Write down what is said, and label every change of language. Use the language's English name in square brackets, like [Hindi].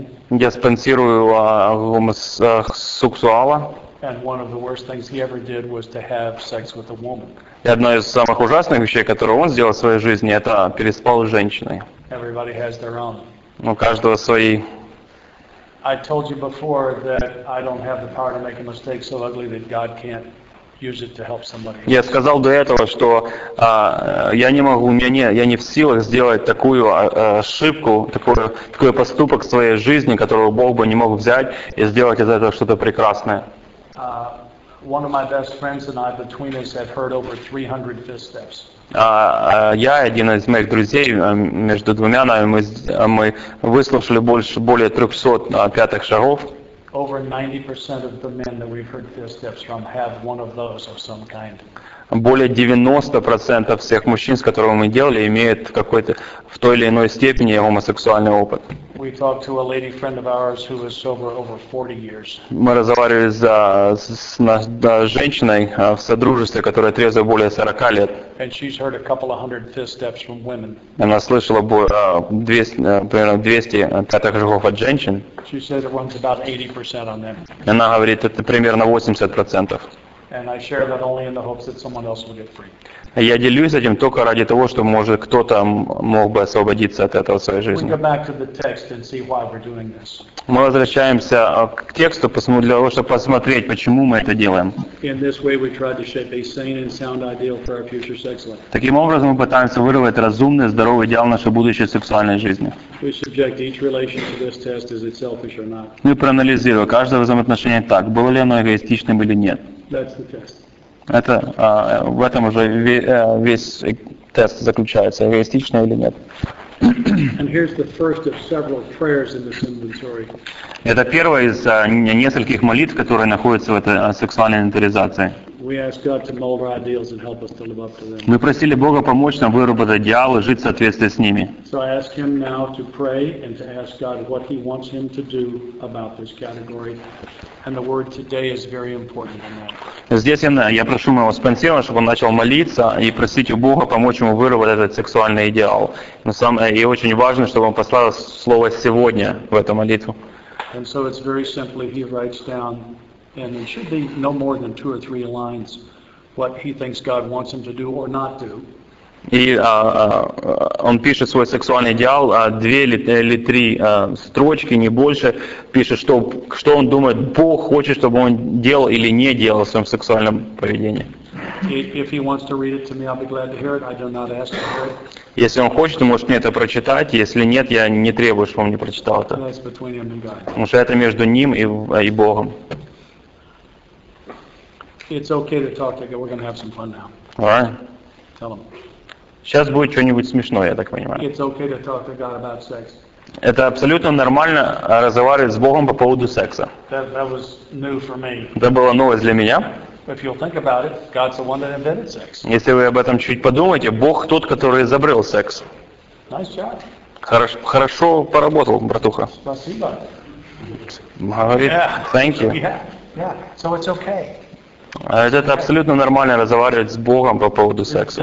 [Russian] Я спонсирую гомосексуала. [English] And one of the worst things he ever did was to have sex with a woman. [Russian] И одно из самых ужасных вещей, которые он сделал в своей жизни, это переспал с женщиной. [English] Everybody has their own. [Russian] У каждого свои. [English] I told you before that I don't have the power to make a mistake so ugly that God can't use it to help somebody. [Russian] Я сказал до этого, что я не могу, я не в силах сделать такую ошибку, такой поступок в своей жизни, которого Бог бы не мог взять и сделать из этого что-то прекрасное. [English] One of my best friends and I, between us, have heard over 300 fist steps. [Russian] Я один из моих друзей между двумя нами мы выслушали более 300 пятых шагов. [English] Over 90% of the men that we've heard fist steps from have one of those of some kind. [Russian] более 90% всех мужчин, с которыми мы делали, имеют какой-то в той или иной степени гомосексуальный опыт. [English] We talked to a lady friend of ours who was sober over 40 years. [Russian] Мы разговаривали с женщиной в содружестве, которая трезва более 40 лет. [English] And she's heard a couple of hundred fifth steps from women. [Russian] Она слышала примерно 200 пятых шагов от женщин. [English] She said it runs about 80% on them. [Russian] Она говорит, это примерно 80%. [English] And I share that only in the hopes that someone else will get free. [Russian] Я делюсь этим только ради того, что может кто-то мог бы освободиться от этого в своей жизни. [English] We go back to the text and see why we're doing this. [Russian] Мы возвращаемся к тексту, для того, чтобы посмотреть, почему мы это делаем. [English] In this way, we try to shape a sane and sound ideal for our future sex life. [Russian] Таким образом, мы пытаемся вырвать разумный, здоровый идеал нашей будущей сексуальной жизни. [English] We subject each relationship to this test: is it selfish or not? [Russian] Мы проанализируем каждое взаимоотношение так: было ли оно эгоистичным или нет. [English] That's the test. [Russian] Это в этом уже весь тест заключается, эгоистично или нет. [English] And here's the first of several prayers in this inventory. [Russian] Это первая из нескольких молитв, которые находятся в этой сексуальной инвентаризации. [English] We ask God to mold our ideals and help us to live up to them. [Russian] Мы просили Бога помочь нам выработать идеалы, жить в соответствии с ними. [English] So I ask Him now to pray and to ask God what He wants Him to do about this category. And the word today is very important in that. [Russian] Здесь я прошу моего спонсора, чтобы он начал молиться и просить у Бога помочь ему выработать этот сексуальный идеал. И очень важно, чтобы он послал слово сегодня в эту молитву. [English] And so it's very simply, he writes down, and it should be no more than two or three lines, what he thinks God wants him to do or not do. [Russian] И он пишет свой сексуальный идеал, две или три строчки, не больше, пишет, что он думает, Бог хочет, чтобы он делал или не делал в своем сексуальном поведении. [English] If he wants to read it to me, I'll be glad to hear it. I do not ask for it. [Russian] Если он хочет, он может мне это прочитать. Если нет, я не требую, чтобы он мне прочитал это. [English] That's between him and God. [Russian] Потому что это между ним и Богом. [English] It's okay to talk to you. We're going to have some fun now. All right. Tell him. [Russian] Сейчас будет что-нибудь смешное, я так понимаю. [English] It's okay to talk to God about sex. [Russian] Это абсолютно нормально разговаривать с Богом по поводу секса. [English] That was new for me. [Russian] Это была новость для меня. [English] If you'll think about it, God's the one that invented sex. [Russian] Если вы об этом чуть подумаете, Бог тот, который изобрел секс. [English] Nice job. [Russian] Хорошо поработал, братуха. Спасибо. Говорит, [English] yeah. Thank you. Yeah. So it's okay. [Russian] Это абсолютно нормально разговаривать с Богом по поводу секса.